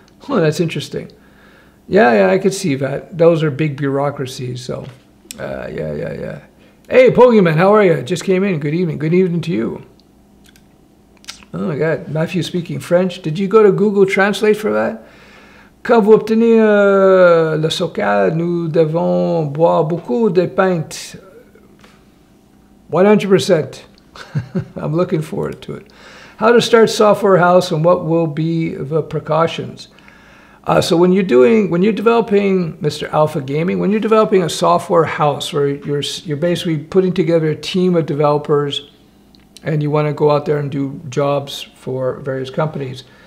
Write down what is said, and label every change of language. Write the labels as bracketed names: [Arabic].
[English] Oh, that's interesting. Yeah, I could see that. Those are big bureaucracies, so yeah. Hey, Pokemon, how are you? Just came in. Good evening. Good evening to you. Oh, my God. Matthew speaking French. Did you go to Google Translate for that? [French] Quand vous obtenez le socal, nous devons boire beaucoup de pintes. [English] 100%. I'm looking forward to it. How to start software house and what will be the precautions? So when you're developing Mr. Alpha Gaming, when you're developing a software house where you're basically putting together a team of developers and you want to go out there and do jobs for various companies.